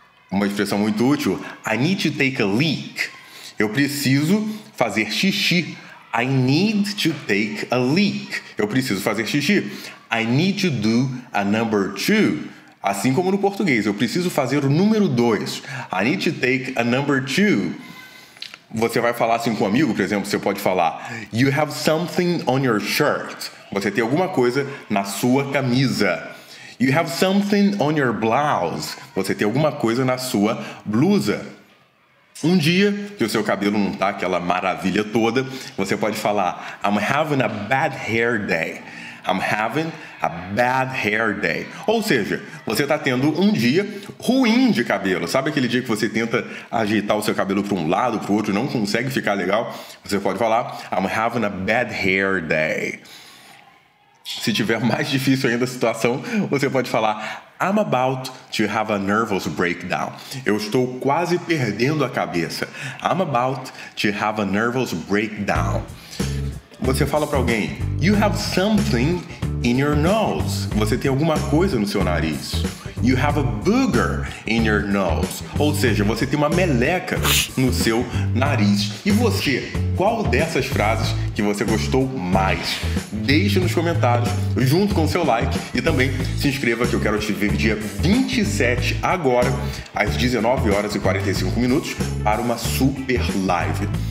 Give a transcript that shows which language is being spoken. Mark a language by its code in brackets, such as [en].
[pt] Uma expressão muito útil. [en] I need to take a leak. [pt] Eu preciso fazer xixi. [en] I need to take a leak. [pt] Eu preciso fazer xixi. [en] I need to do a number two. [pt] Assim como no português. Eu preciso fazer o número dois. [en] I need to take a number two. [pt] Você vai falar assim com um amigo, por exemplo, você pode falar, [en] you have something on your shirt. [pt] Você tem alguma coisa na sua camisa. [en] You have something on your blouse. [pt] Você tem alguma coisa na sua blusa. Um dia que o seu cabelo não tá aquela maravilha toda, você pode falar, [en] I'm having a bad hair day. I'm having a bad hair day. [pt] Ou seja, você está tendo um dia ruim de cabelo. Sabe aquele dia que você tenta ajeitar o seu cabelo para um lado, para o outro, não consegue ficar legal? Você pode falar, [en] I'm having a bad hair day. [pt] Se tiver mais difícil ainda a situação, você pode falar, [en] I'm about to have a nervous breakdown. [pt] Eu estou quase perdendo a cabeça. [en] I'm about to have a nervous breakdown. [pt] Você fala para alguém, [en] you have something in your nose. [pt] Você tem alguma coisa no seu nariz. [en] You have a booger in your nose. [pt] Ou seja, você tem uma meleca no seu nariz. E você, qual dessas frases que você gostou mais? Deixe nos comentários, junto com o seu like. E também se inscreva que eu quero te ver dia 27 agora, às 19h45, para uma super live.